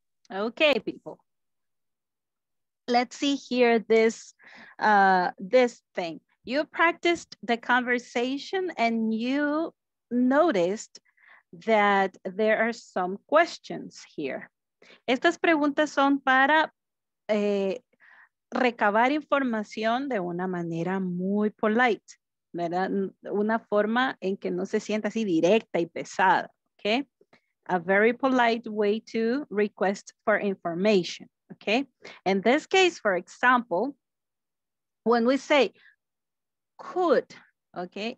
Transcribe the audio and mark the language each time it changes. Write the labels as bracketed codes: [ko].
[en] Okay, people. Let's see here this, this thing. You practiced the conversation and you noticed that there are some questions here. [es] Estas preguntas son para recabar información de una manera muy polite, ¿verdad? Una forma en que no se sienta así directa y pesada, okay? [en] A very polite way to request for information, okay? In this case, for example, when we say could, okay?